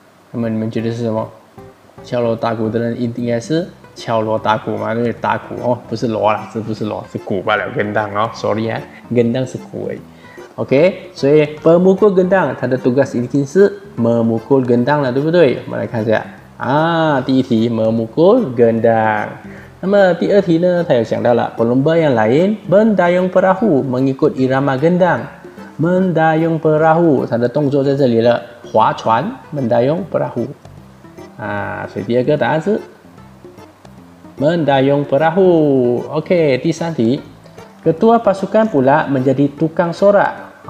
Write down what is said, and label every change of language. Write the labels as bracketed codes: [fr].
[zh] 那么你们觉得是什么？敲锣打鼓的人应该是敲锣打鼓吗？因为打鼓哦，不是锣啦，这不是锣，是鼓罢了。 gendang 哦 ，sorry 啊 ，gendang 是鼓而已。OK， 所以pemuka gendang 他的 tugas 一定是 [ms] memukul gendang [zh] 了，对不对？我们来看一下。第一题 memukul gendang。 那么第二题呢，他有想到了 [ms] pelumba yang lain mendayung perahu mengikut irama gendang。 mendayung perahu [zh] 他的动作在这里了，划船 mendayung perahu。所以第二个答案是 mendayung perahu。 [ms] OK， 第三题， ketua pasukan pula menjadi tukang sorak。